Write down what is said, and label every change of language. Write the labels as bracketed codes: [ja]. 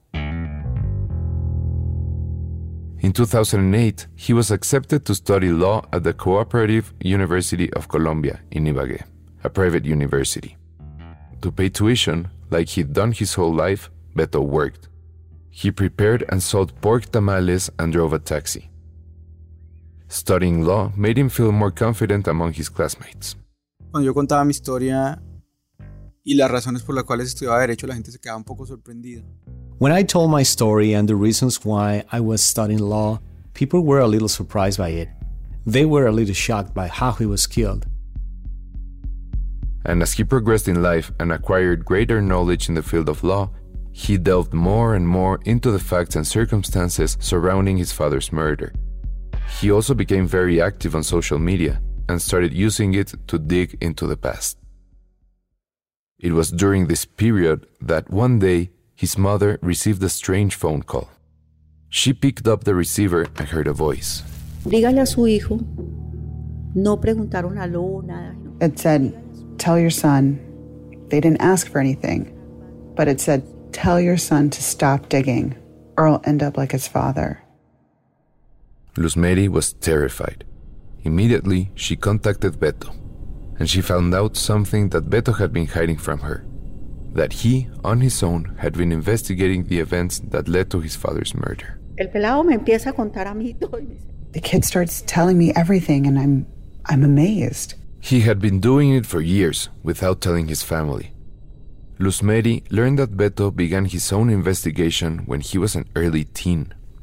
[en] In 2008, he was accepted to study law at the Cooperative University of Colombia in Ibagué, a private university. To pay tuition, like he'd done his whole life, Beto worked. He prepared and sold pork tamales and drove a taxi. Studying law made him feel more confident among his classmates. [es] Cuando yo contaba mi historia y las razones por las cuales estudiaba derecho, la gente se quedaba un poco sorprendida. [en] When I told my story and the reasons why I was studying law, people were a little surprised by it. They were a little shocked by how he was killed. And as he progressed in life and acquired greater knowledge in the field of law, he delved more and more into the facts and circumstances surrounding his father's murder. He also became very active on social media and started using it to dig into the past. It was during this period that one day, his mother received a strange phone call. She picked up the receiver and heard a voice. [es] Dígale a su hijo, no preguntaron aló, nada. [en] It said, tell your son. They didn't ask for anything, but it said, tell your son to stop digging or I'll end up like his father. Luz Mary was terrified. Immediately, she contacted Beto, and she found out something that Beto had been hiding from her, that he, on his own, had been investigating the events that led to his father's murder. [es] El pelado me empieza a contar a mí todo. [en] The kid starts telling me everything, and I'm amazed. He had been doing it for years without telling his family. Luz Mary learned that Beto began his own investigation when he was an early teen.